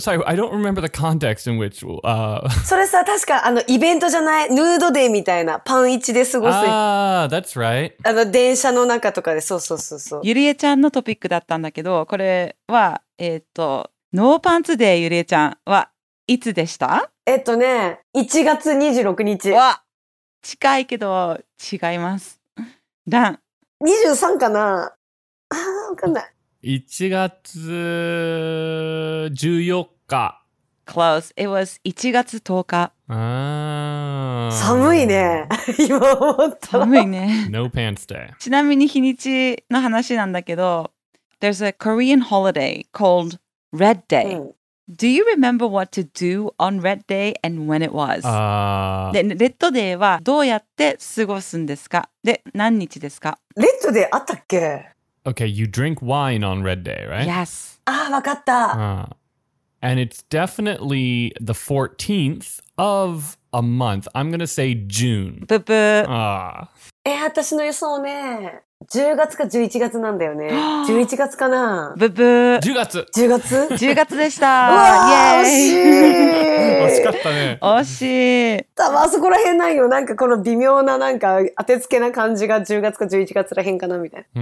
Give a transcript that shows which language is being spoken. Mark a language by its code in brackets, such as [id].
[en] Sorry, I don't remember the context in which. [ja] それさ、確かあのイベントじゃない、ヌードデーみたいなパンイチで過ごす。 [en] That's right. [ja] あの電車の中とかで、そうそうそうそう。ゆりえちゃんのトピックだったんだけど、これはノーパンツデーゆりえちゃんはいつでした？ね、1月26日。わ、近いけど違います。ダン。 23かな。ああ、わかんない。 1月14日。 [en] Close. It was 1月10日。 [ja] ああ。寒いね。今思った。寒いね。 [en] No pants day. [ja] ちなみに日にちの話なんだけど、 [en] There's a Korean holiday called Red Day.、うん、do you remember what to do on Red Day and when it was? [ja] ああ。で、レッドデーはどうやって過ごすんですか？で、何日ですか？レッドデーあったっけ？ [en] Okay, you drink wine on Red Day, right? Yes. [ja] Ah, わかった. [en] And it's definitely the 14th of a month. I'm going to say June. [ja] ブブー. 私の予想ね、10月か11月なんだよね。 11月かな。ブブー. 10月。 10月? 10月でした。うわー、惜しい。惜しかったね。惜しい。多分あそこら辺ないよ。なんかこの微妙ななんか当てつけな感じが10月か11月らへんかなみたいな。